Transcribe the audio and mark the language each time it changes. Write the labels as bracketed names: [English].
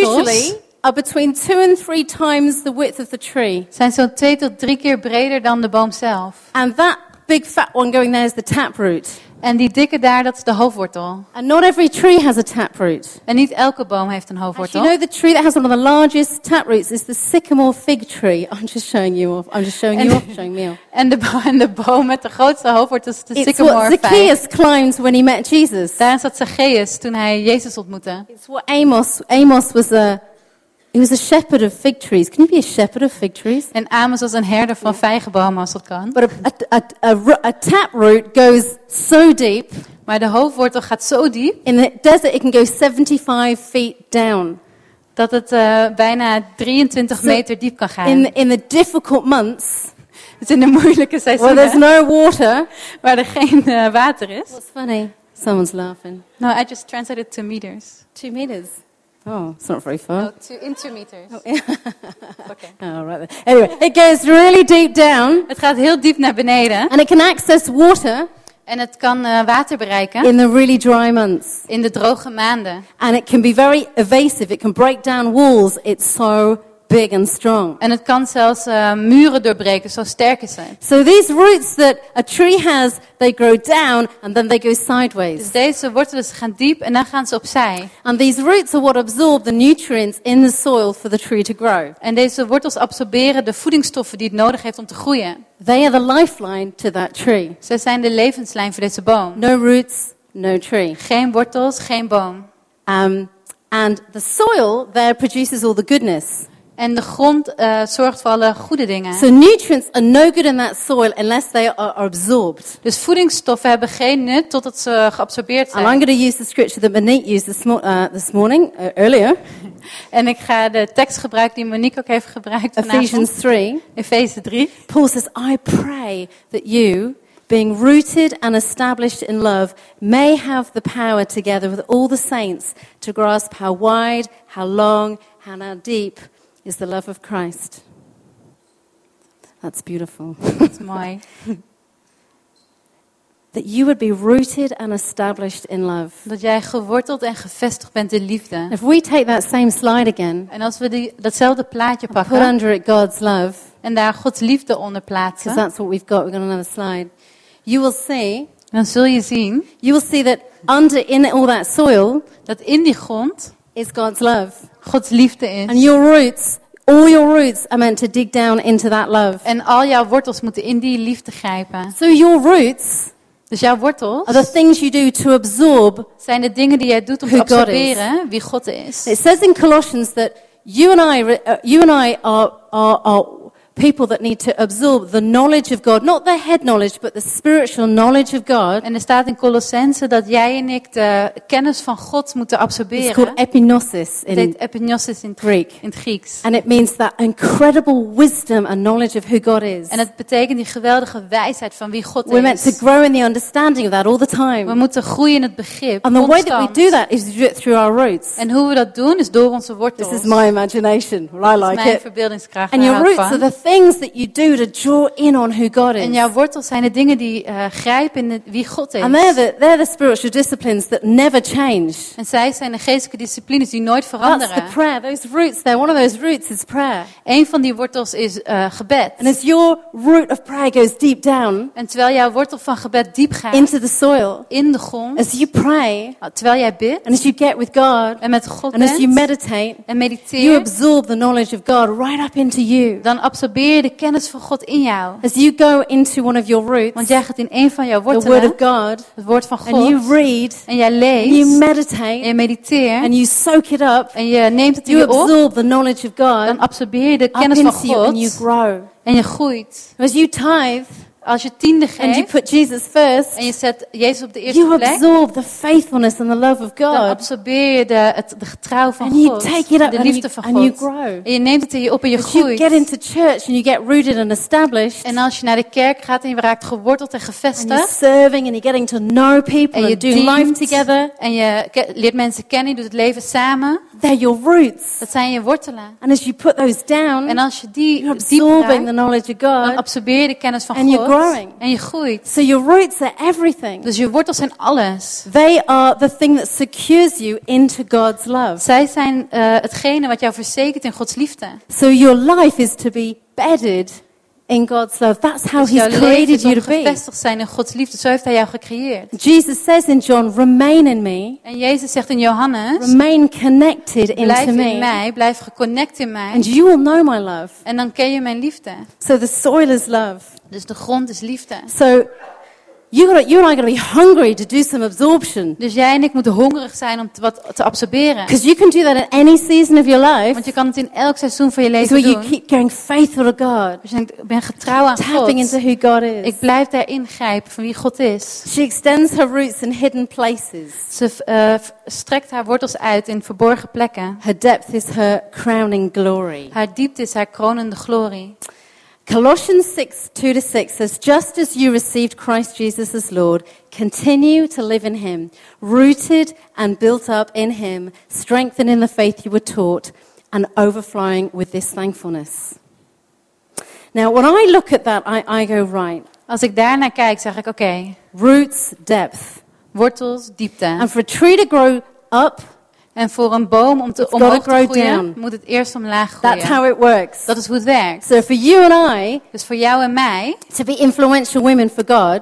[English] usually are between 2 and 3 times the width of the tree. [Dutch] Zijn zo 2 tot 3 keer breder dan de boom zelf. [English] And that big fat one going there is the tap root. [Dutch] En die dikke daar, dat is de hoofdwortel. [English] And not every tree has a tap root. [Dutch] En niet elke boom heeft een hoofdwortel. [English] You know the tree that has one of the largest tap roots is the sycamore fig tree. I'm just showing you off. I'm just showing you off. Showing me off. [Dutch] En de boom met de grootste hoofdwortel is de [English] sycamore fig. It's what Zacchaeus climbed when he met Jesus. [Dutch] Daar zat Zacchaeus toen hij Jezus ontmoette. [English] It's what Amos was a. He was a shepherd of fig trees. Can you be a shepherd of fig trees? [Dutch] En Amos was een herder van vijgenbomen als dat kan. [English] But a tap root goes so deep. [Dutch] Maar de hoofdwortel gaat zo diep. [English] In the desert it can go 75 feet down. [Dutch] Dat het bijna 23 meter diep kan gaan. [English] In the difficult months. [Dutch] Dus in de moeilijke seizoenen. [English] Where there's no water. [Dutch] Waar er geen water is. [English] What's funny? Someone's laughing. No, I just translated 2 meters. 2 meters? Oh, it's not very far. No, in 2 meters. Oh, yeah. Okay. Oh, right there. Anyway, it goes really deep down. [Dutch] Het gaat heel diep naar beneden. [English] And it can access water. [Dutch] En het kan water bereiken. [English] In the really dry months. [Dutch] In de droge maanden. [English] And it can be very evasive. It can break down walls. It's so big and strong. [Dutch] En het kan zelfs muren doorbreken, zo sterk is het. [English] So these roots that a tree has, they grow down and then they go sideways. [Dutch] Dus deze wortels gaan diep en dan gaan ze opzij. [English] And these roots are what absorb the nutrients in the soil for the tree to grow. [Dutch] En deze wortels absorberen de voedingsstoffen die het nodig heeft om te groeien. [English] They are the lifeline to that tree. [Dutch] Ze zijn de levenslijn voor deze boom. [English] No roots, no tree. [Dutch] Geen wortels, geen boom. [English] And the soil there produces all the goodness. [Dutch] En de grond zorgt voor alle goede dingen. [English] So nutrients are no good in that soil unless they are absorbed. [Dutch] Dus voedingsstoffen hebben geen nut totdat ze geabsorbeerd zijn. [English] And I'm going to use the scripture that Monique used this morning earlier. [Dutch] En ik ga de tekst gebruiken die Monique ook heeft gebruikt vanavond. [English] Ephesians 3. [Dutch] Efeze 3. [English] Paul says, I pray that you, being rooted and established in love, may have the power together with all the saints to grasp how wide, how long, and how deep is the love of Christ. That's beautiful. That's my. That you would be rooted and established in love. [Dutch] Dat jij geworteld en gevestigd bent in liefde. [English] If we take that same slide again. [Dutch] En als we datzelfde plaatje pakken. [English] Put under it God's love. [Dutch] En daar Gods liefde onder plaatsen. [English] Because that's what we've got. We've got another slide. You will see. [Dutch] Dan zul je zien. [English] You will see that under in all that soil. [Dutch] Dat in die grond [English] is God's love. [Dutch] Gods liefde is. [English] And your roots. All your roots are meant to dig down into that love. [Dutch] En al jouw wortels moeten in die liefde grijpen. [English] So your roots. [Dutch] Dus jouw wortels [English] are the things you do to absorb [Dutch] zijn de dingen die jij doet om te absorberen wie God is. [English] It says in Colossians that you and I are people that need to absorb the knowledge of God, not the head knowledge, but the spiritual knowledge of God. [Dutch] En er staat in Colossense dat jij en ik de kennis van God moeten absorberen. [English] It's called epignosis in [Dutch] het heet epignosis in [English] Greek. [Dutch] In het Grieks. [English] And it means that incredible wisdom and knowledge of who God is. [Dutch] En het betekent die geweldige wijsheid van wie God is. [English] We're meant to grow in the understanding of that all the time. [Dutch] We moeten groeien in het begrip. [English] And the way that we do that is through our roots. [Dutch] En hoe we dat doen is door onze wortels. [English] This is my imagination. Well, I like [Dutch] mijn [English] it. [Dutch] Mijn verbeeldingskracht. [English] And your roots are the things that you do to draw in on who God is. [Dutch] En jouw wortels zijn de dingen die grijpen in wie God is. [English] And they're the spiritual disciplines that never change. [Dutch] En zij zijn de geestelijke disciplines die nooit veranderen. [English] That's the prayer. Those roots there. One of those roots is prayer. [Dutch] Een van die wortels is gebed. [English] And as your root of prayer goes deep down. [Dutch] En terwijl jouw wortel van gebed diep gaat. [English] Into the soil. [Dutch] In de grond. [English] As you pray. [Dutch] Terwijl jij bidt. [English] And as you get with God. [Dutch] En met God. [English] And [Dutch] bent, [English] as you meditate. [Dutch] En mediteer. [English] You absorb the knowledge of God right up into you. [Dutch] Dan absorbeer de kennis van God in jou. [English] As you go into one of your roots, [Dutch] want jij gaat in een van jouw wortelen. [English] The word of God, [Dutch] het woord van God. [English] And you read, [Dutch] en jij leest. [English] And you meditate, [Dutch] en je mediteert. [English] And you soak it up, [Dutch] en je neemt het [English] you [Dutch] in je op. [English] You absorb the knowledge of God. [Dutch] Dan absorbeer je de kennis [English] up [Dutch] van God. [English] Into you, and you grow. [Dutch] En je groeit. [English] As you tithe, [Dutch] als je tiende geeft. [English] And you put Jesus first, [Dutch] en je zet Jezus op de eerste [English] you [Dutch] plek. [English] You absorb the faithfulness and the love of God. [Dutch] Dan absorbeer je de getrouw van [English] and [Dutch] God. [English] You take it up, [Dutch] de liefde van [English] and [Dutch] God. [English] You grow. [Dutch] En je neemt het in je op en je [English] as [Dutch] groeit. [English] You get into church and you get rooted and established. [Dutch] En als je naar de kerk gaat en je raakt geworteld en gevestigd. [English] And you're serving and you're getting to know people. [Dutch] En je [English] and do [Dutch] dient, [English] life together. [Dutch] En je leert mensen kennen, je doet het leven samen. [English] They're your roots. [Dutch] Dat zijn je wortelen. [English] And as you put those down. [Dutch] En als je die [English] you're absorbing [Dutch] raakt, [English] the knowledge of God. [Dutch] Dan absorbeer je de kennis van [English] and [Dutch] God. [English] Growing. [Dutch] En je groeit. [English] So your roots are everything. [Dutch] Dus je wortels zijn alles. [English] They are the thing that secures you into God's love. [Dutch] Zij zijn hetgene wat jou verzekert in Gods liefde. [English] So your life is to be bedded in God's love. That's how [Dutch] dus [English] he's created you to be. [Dutch] Gevestigd zijn in Gods liefde. Zo heeft hij jou gecreëerd. [English] Jesus says in John, remain in me. [Dutch] En Jezus zegt in Johannes, [English] remain connected into [Dutch] blijf in [English] me. [Dutch] Mij, blijf geconnected in mij. [English] And you will know my love. [Dutch] En dan ken je mijn liefde. [English] So the soil is love. [Dutch] Dus de grond is liefde. [English] So you and I gotta be hungry to do some absorption. [Dutch] Dus jij en ik moeten hongerig zijn om wat te absorberen. [English] Because you can do that in any season of your life. [Dutch] Want je kan het in elk seizoen van je leven doen. [English] Where you keep going faithful to God. [Dutch] Dus je denkt, ik ben getrouw aan [English] tapping [Dutch] God. [English] Tapping into who God is. [Dutch] Ik blijf daar ingrijpen van wie God is. [English] She extends her roots in hidden places. [Dutch] Ze strekt haar wortels uit in verborgen plekken. [English] Her depth is her crowning glory. [Dutch] Haar diepte is haar kronende glorie. [English] Colossians 6:2-6 says, just as you received Christ Jesus as Lord, continue to live in him, rooted and built up in him, strengthened in the faith you were taught, and overflowing with this thankfulness. Now, when I look at that, I go right. [Dutch] Als ik daarnaar kijk, zeg ik, okay. [English] Roots, depth. [Dutch] Wortels, diepte. [English] And for a tree to grow up, [Dutch] en voor een boom om te omhoog te groeien, [English] down. [Dutch] Moet het eerst omlaag groeien. [English] That's how it works. [Dutch] Dat is hoe het werkt. [English] So for you and I, [Dutch] dus voor jou en mij, [English] to be influential women for God,